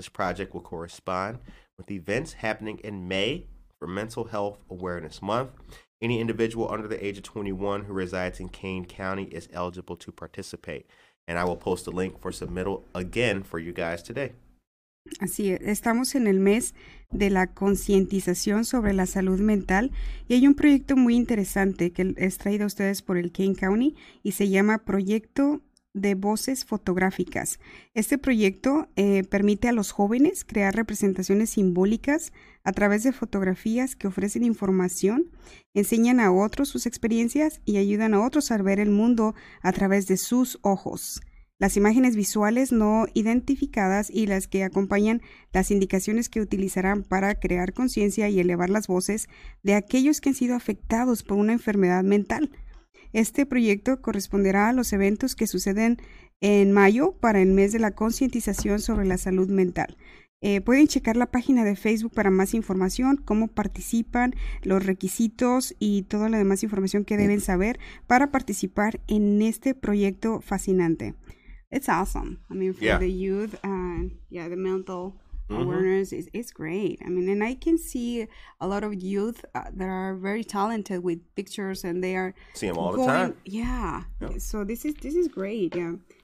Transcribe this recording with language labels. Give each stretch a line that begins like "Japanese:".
English: This project will correspond with events happening in May for Mental Health Awareness Month. Any individual under the age of 21 who resides in Kane County is eligible to participate. And I will post a link for submittal again for you guys today.
Spanish: Así es. Estamos en el mes de la concientización sobre la salud mental y hay un proyecto muy interesante que es traído a ustedes por el Kane County y se llama Proyecto de Voces Fotográficas. Este proyecto permite a los jóvenes crear representaciones simbólicas a través de fotografías que ofrecen información, enseñan a otros sus experiencias y ayudan a otros a ver el mundo a través de sus ojos. Las imágenes visuales no identificadas y las que acompañan las indicaciones que utilizarán para crear conciencia y elevar las voces de aquellos que han sido afectados por una enfermedad mental. Este proyecto corresponderá a los eventos que suceden en mayo para el mes de la concientización sobre la salud mental. Pueden checar la página de Facebook para más información, cómo participan, los requisitos y toda la demás información que deben saber para participar en este proyecto fascinante.
English: It's awesome. I mean, for the youth and the mental awareness is it's great. I mean, and I can see a lot of youth that are very talented with pictures, and they are See them all the going. time. Yeah. So this is great. Yeah.